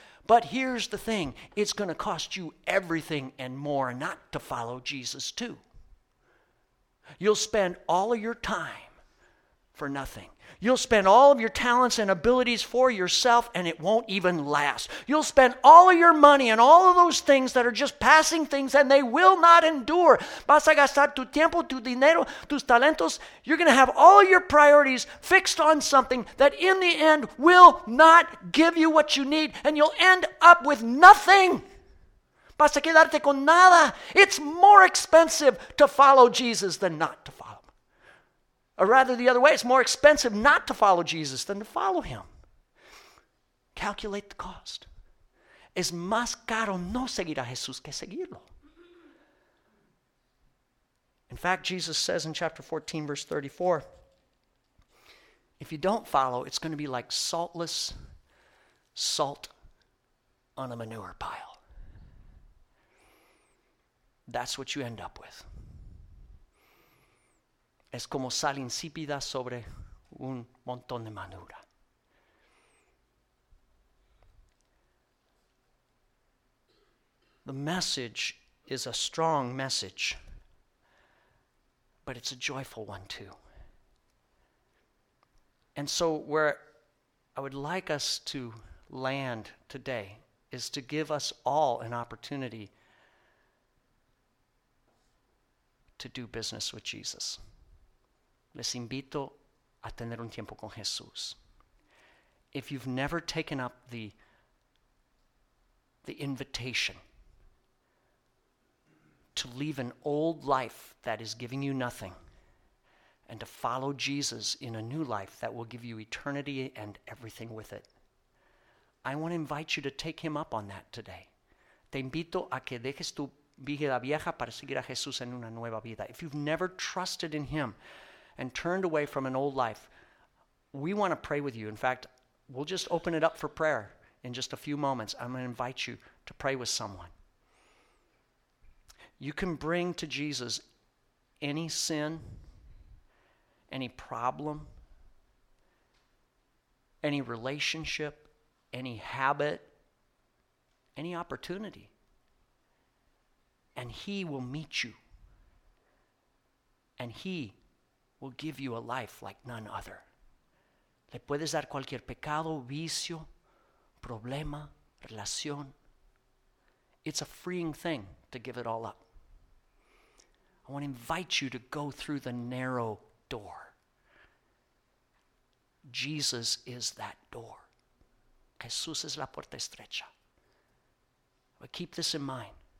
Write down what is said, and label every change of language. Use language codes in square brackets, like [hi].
[en] But here's the thing, it's going to cost you everything and more not to follow Jesus too. You'll spend all of your time for nothing. You'll spend all of your talents and abilities for yourself and it won't even last. You'll spend all of your money and all of those things that are just passing things and they will not endure. [es] Vas a gastar tu tiempo, tu dinero, tus talentos. [en] You're going to have all your priorities fixed on something that in the end will not give you what you need and you'll end up with nothing. [es] Vas a quedarte con nada. [en] It's more expensive to follow Jesus than not to follow. Or rather, the other way, it's more expensive not to follow Jesus than to follow him. Calculate the cost. [es] Es más caro no seguir a Jesús que seguirlo. [en] In fact, Jesus says in chapter 14, verse 34, if you don't follow, it's going to be like saltless salt on a manure pile. That's what you end up with. [es] Es como sal insípida sobre un montón de manura. [en] The message is a strong message, but it's a joyful one too. And so where I would like us to land today is to give us all an opportunity to do business with Jesus. [es] Les invito a tener un tiempo con Jesús. [en] If you've never taken up the invitation to leave an old life that is giving you nothing and to follow Jesus in a new life that will give you eternity and everything with it, I want to invite you to take him up on that today. [es] Te invito a que dejes tu vida vieja para seguir a Jesús en una nueva vida. [en] If you've never trusted in him and turned away from an old life, we want to pray with you. In fact, we'll just open it up for prayer in just a few moments. I'm going to invite you to pray with someone. You can bring to Jesus any sin, any problem, any relationship, any habit, any opportunity. And he will meet you. And he will give you a life like none other. [es] Le puedes dar cualquier pecado, vicio, problema, relación. [en] It's a freeing thing to give it all up. I want to invite you to go through the narrow door. Jesus is that door. [es] Jesús es la puerta estrecha. [en] But keep this in mind.